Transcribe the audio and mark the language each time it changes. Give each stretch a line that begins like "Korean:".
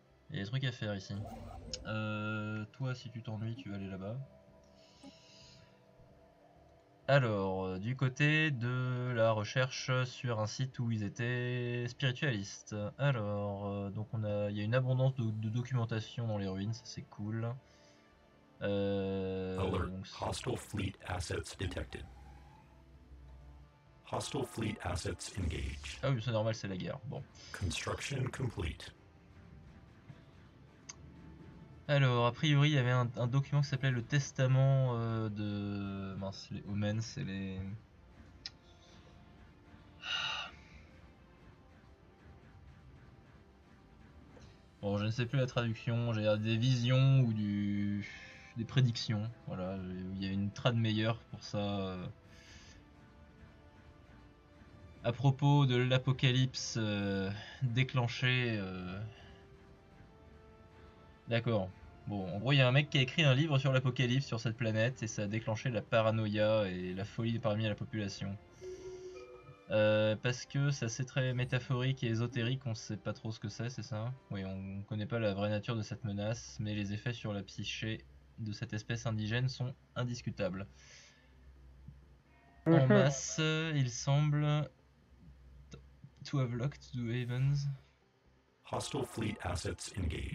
French: Il y a des trucs à faire ici. Toi, si tu t'ennuies, tu vas aller là-bas. Alors, du côté de la recherche sur un site où ils étaient spiritualistes. Alors, donc il y a une abondance de documentation dans les ruines, ça c'est cool.
English: Alert. Hostile fleet assets detected. Hostile fleet assets engaged.
French: Ah oui, c'est normal, c'est la guerre. Bon.
English: Construction complete.
French: Alors, a priori, il y avait un document qui s'appelait le testament de. Mince, les Omens et les. Bon, je ne sais plus la traduction, j'ai des visions ou des prédictions. Voilà, il y a une trad meilleure pour ça. À propos de l'apocalypse déclenché. D'accord. Bon, en gros, il y a un mec qui a écrit un livre sur l'apocalypse sur cette planète et ça a déclenché la paranoïa et la folie parmi la population. Parce que c'est assez très métaphorique et ésotérique, on sait pas trop ce que c'est ça? Oui, on connaît pas la vraie nature de cette menace, mais les effets sur la psyché de cette espèce indigène sont indiscutables. En masse, il semble.
English: To have locked the havens. Hostile fleet assets engaged.